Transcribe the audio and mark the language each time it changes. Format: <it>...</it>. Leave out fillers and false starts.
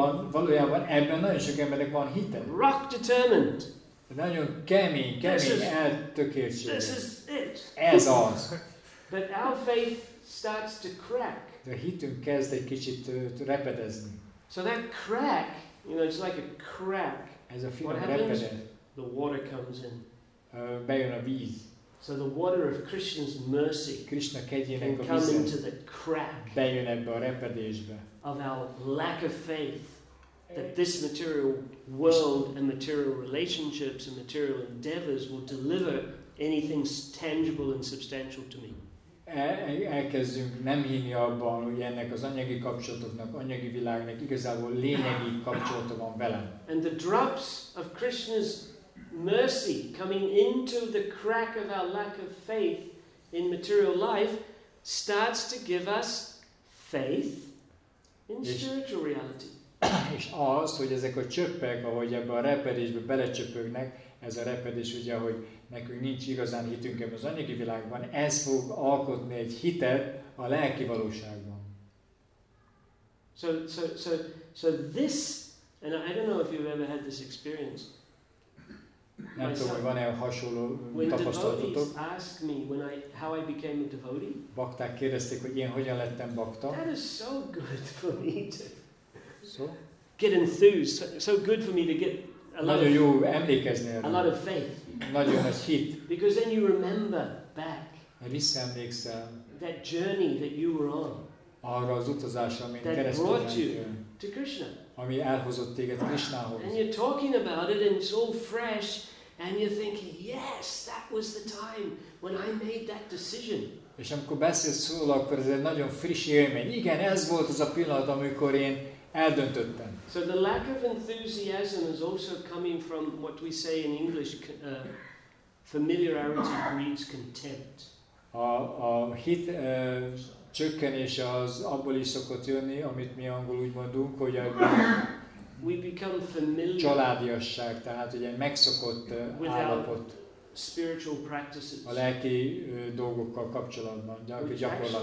<hu>valójában ebben nagyon sok embernek van hite.</hu> <en>Rock determined.</en> <hu>Nagyon kemény eltökéltség.</hu> <en>This is it.</en> <hu>Ez az.</hu> <en>But our faith starts to crack.</en> <hu>De a hitünk kezd egy kicsit repedezni.</hu> <en>So that crack, you know, it's like a crack.</en> <hu>Ez a finom repedet.</hu> <en>The water comes in.</en> <hu>Bejön a víz.</hu> <en>So the water of Krishna's mercy</en> <hu>Krishna kegyének</hu> <en>can come into the crack.</en> <hu>Bejön ebbe a repedésbe.</hu> <en>Of our lack of faith. That this material world and material relationships and material endeavors will deliver anything tangible and substantial to me.</en> <hu>Elkezdünk nem hinni abban, hogy ennek az anyagi kapcsolatoknak, anyagi világnak igazából lényegi kapcsolata van velem.</hu> <en>And the drops of Krishna's mercy coming into the crack of our lack of faith in material life starts to give us faith in spiritual reality.</en> <hu>És az, hogy ezek a csöppek, ahogy ebbe a repedésbe belecsöpögnek, ez a repedés ugye, hogy nekünk nincs igazán hitünk ebben az anyagi világban, ez fog alkotni egy hitet a lelki valóságban.</hu> <en>So this, and I don't know if you've ever had this experience.</en> <hu>Nem tudom, hogy van-e hasonló tapasztalatotok.</hu> <en>When devotees ask me how I became a devotee.</en> <hu>Bakták kérdezték, hogy én hogyan lettem bakta.</hu> <en>That is so good for me too. So? Get enthused. So good for me to get a lot</en> <hu>nagyon</hu> <en>of</en> <hu>jó emlékezni erről.</hu> <en>A lot of faith.</en> <hu>Nagyon nagy hit.</hu> <en>Because then you remember back.</en> <hu>Visszaemlékszel.</hu> <en>That journey that you were on.</en> <hu>Arra az utazásra, amin keresztül mentél.</hu> <en>That brought you to Krishna.</en> <hu>Ami elhozott téged Krishnához.</hu> <en>And you're talking about it, and it's all fresh, and you're thinking, yes, that was the time when I made that decision.</en> <hu>És amikor beszélsz róla, akkor ez egy nagyon friss élmény. Igen, ez volt az a pillanat, amikor én eldöntöttem.</hu> <en>So the lack of enthusiasm is also coming from what we say in English, familiarity breeds contempt.</en> <hu>A hit csökkenése az abból is szokott jönni, amit mi angol úgy mondunk, hogy a</hu> <en>we become familiar</en> <hu>családiasság, tehát ugye megszokott állapot</hu> <en>spiritual practices.</en> <hu>A lelki dolgokkal kapcsolatban, gyakorlatban.</hu>